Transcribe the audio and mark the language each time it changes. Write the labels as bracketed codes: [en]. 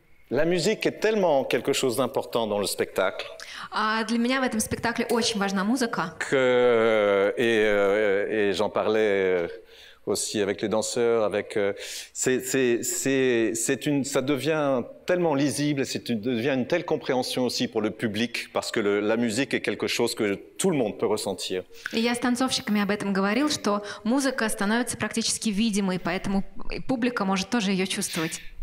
[fr] La musique est tellement quelque chose d'important dans le spectacle. [ru] Для меня в этом спектакле очень важна музыка. [fr] Et j'en parlais aussi avec les danseurs, avec ça devient tellement lisible, devient une telle compréhension aussi pour le public, parce que la musique est quelque chose que tout le monde peut ressentir. [ru] Et я с танцовщиками об этом говорил, что музыка становится практически видимой, поэтому публика может тоже ее чувствовать.